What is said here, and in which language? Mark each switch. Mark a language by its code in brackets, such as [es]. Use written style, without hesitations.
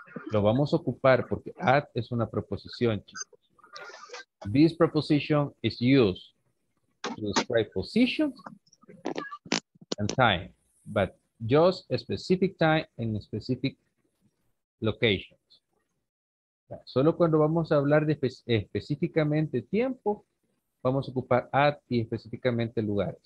[es] Lo vamos a ocupar porque at es una preposición, chicos. [en] This preposition is used to describe positions and time, but just a specific time and specific location. [es] Solo cuando vamos a hablar de específicamente tiempo, vamos a ocupar at y específicamente lugares.